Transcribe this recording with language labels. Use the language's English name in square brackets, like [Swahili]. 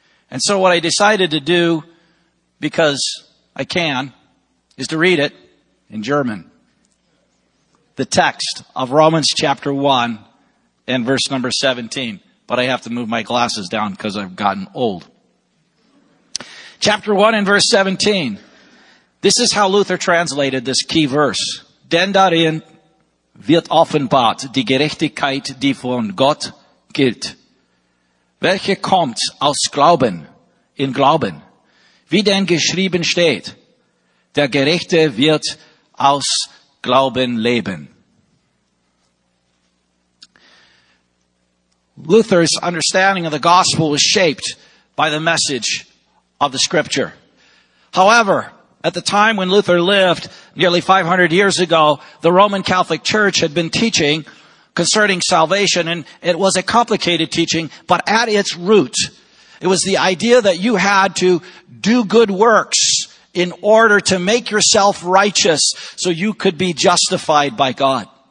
[English] And so what I decided to do, because I can, is to read it in German. the text of Romans chapter 1 and verse number 17. But I have to move my glasses down because I've gotten old. Chapter 1 and verse 17. This is how Luther translated this key verse. [German] Denn darin wird offenbart die Gerechtigkeit, die von Gott gilt. Welche kommt aus Glauben in Glauben? Wie denn geschrieben steht, der Gerechte wird aus Glauben leben. [English] Luther's understanding of the gospel was shaped by the message of the scripture. However, at the time when Luther lived, nearly 500 years ago, the Roman Catholic Church had been teaching concerning salvation, and it was a complicated teaching, but at its root, it was the idea that you had to do good works in order to make yourself righteous so you could be justified by God.